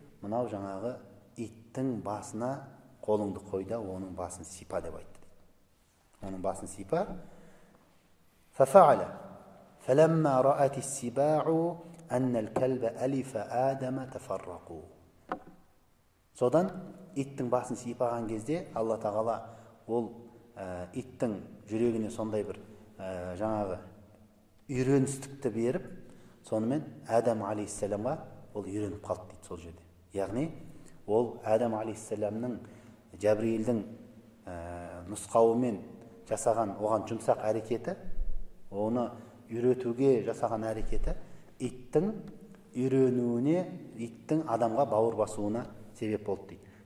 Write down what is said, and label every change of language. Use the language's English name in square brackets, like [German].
[Kazakh] Мынау жаңағы иттің басына қолыңды қой да оның басын сипа деп айтты. Оның басын сипа. Фафаала. [Arabic] Фаламма раат ас-сибау анна ал-калба алифа адама тафарраку. [Kazakh] Содан иттің басын сипаған кезде Алла Тағала ол иттің жүрегіне сондай бір жаңағы үйреністікті беріп, сонымен Адам алейхиссаламға ол үйреніп қалды дейді сол жерде. Яғни ол Адам алейхиссаламның Жәбірейілдің нұсқауымен жасаған оған жұмсақ әрекеті, оны үйретуге жасаған әрекеті иттің үйренуіне, иттің адамға бауыр басуына себеп болды дейді.